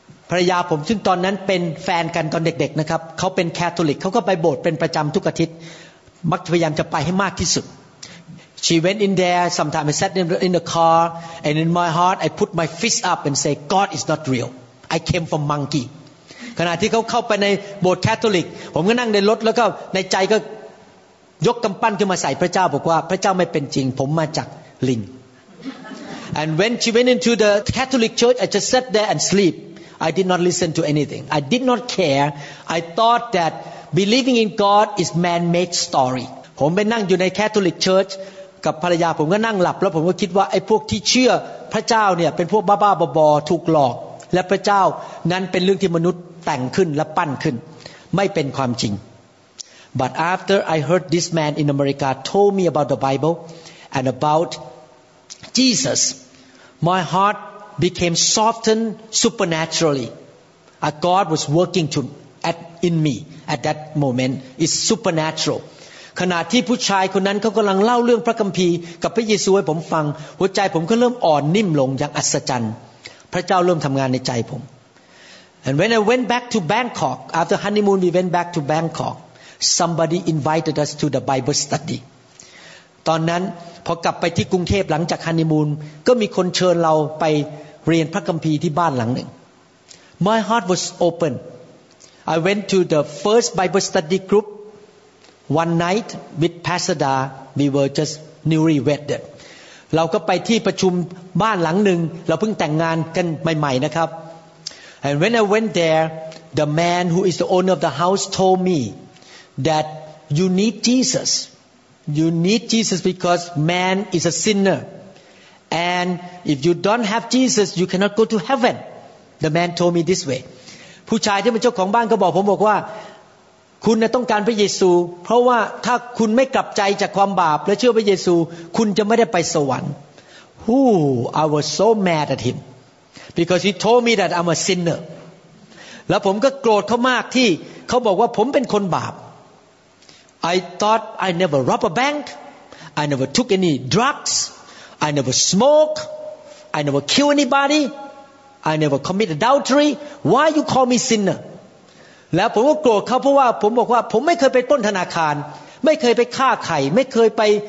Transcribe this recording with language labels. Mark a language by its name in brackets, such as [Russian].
[Thai] ภรรยาผมซึ่งตอนนั้นเป็นแฟนกันตอนเด็กๆนะครับเขาเป็นแคทอลิกเขาก็ไปโบสถ์เป็นประจำทุกอาทิตย์มักพยายามจะไปให้มากที่สุด [English] She went in there sometimes I sat in the car and in my heart I put my fist up and say God is not real. I came from monkey. [Thai] ขณะที่เขาเข้าไปในโบสถ์แคทอลิกผมก็นั่งในรถแล้วก็ในใจก็ยกกำปั้นขึ้นมาใส่พระเจ้าบอกว่าพระเจ้าไม่เป็นจริงผมมาจากลิง [English] And when she went into the Catholic church, I just sat there and sleep. I did not listen to anything. I did not care. I thought that believing in God is man-made story. [Thai] ผมไปนั่งอยู่ในแคทอลิกเชิร์ชกับภรรยาผมก็นั่งหลับแล้วผมก็คิดว่าไอ้พวกที่เชื่อพระเจ้าเนี่ยเป็นพวกบ้าๆบอๆถูกหลอกและพระเจ้านั้นเป็นเรื่องที่มนุษย์แต่งขึ้นและปั้นขึ้นไม่เป็นความจริง [English] But after I heard this man in America told me about the Bible and aboutJesus, my heart became softened supernaturally. A God was working in me at that moment. It's supernatural. [Thai] ขณะที่ผู้ชายคนนั้นเขากำลังเล่าเรื่องพระคัมภีร์กับพระเยซูให้ผมฟังหัวใจผมก็เริ่มอ่อนนิ่มลงอย่างอัศจรรย์พระเจ้าเริ่มทำงานในใจผม [English] And when I went back to Bangkok, after honeymoon we went back to Bangkok, somebody invited us to the Bible study. [Thai] ตอนนั้นพอกลับไปที่กรุงเทพหลังจากฮันนีมูนก็มีคนเชิญเราไปเรียนพระคัมภีร์ที่บ้านหลังหนึ่ง [English] My heart was open I went to the first Bible study group one night with Pasada we were just newly wedded [Thai] เราก็ไปที่ประชุมบ้านหลังหนึ่งเราเพิ่งแต่งงานกันใหม่ๆนะครับ [English] And when I went there the man who is the owner of the house told me that you need JesusYou need Jesus because man is a sinner. And if you don't have Jesus, you cannot go to heaven. The man told me this way. [Thai] ผู้ชายที่เป็นเจ้าของบ้านก็บอกผมบอกว่าคุณต้องการพระเยซูเพราะว่าถ้าคุณไม่กลับใจจากความบาปและเชื่อพระเยซูคุณจะไม่ได้ไปสวรรค์ [English] Ooh, I was so mad at him. because he told me that I'm a sinner [Thai] แล้วผมก็โกรธเขามากที่เขาบอกว่าผมเป็นคนบาป [English] I thought I never robbed a bank I never took any drugs I never smoke I never kill anybody I never commit adultery why you call me sinner [Thai] แล้วผมก็โกรธเขาเพราะว่าผมบอกว่าผมไม่เคยไป [English] ปล้นธนาคารไม่เคยไปฆ่าไข่ไม่เคยไป